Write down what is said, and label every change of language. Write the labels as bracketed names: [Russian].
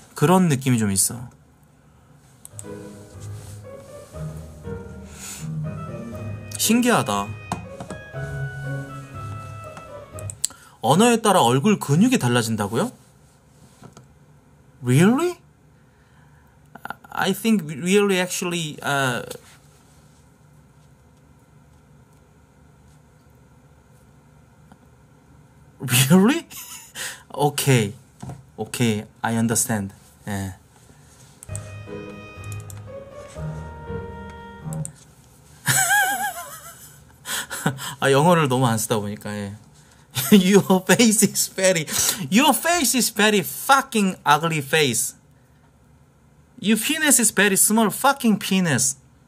[Korean] 그런 느낌이 좀 있어. 신기하다. 언어에 따라 얼굴 근육이 달라진다고요? [English] Really? I think really actually Really? Okay. Okay. I understand. 예. Yeah. [Korean] 아, 영어를 너무 안 쓰다 보니까, 예. [English] Your face is very, your face is very fucking ugly face. Your penis is very small fucking penis.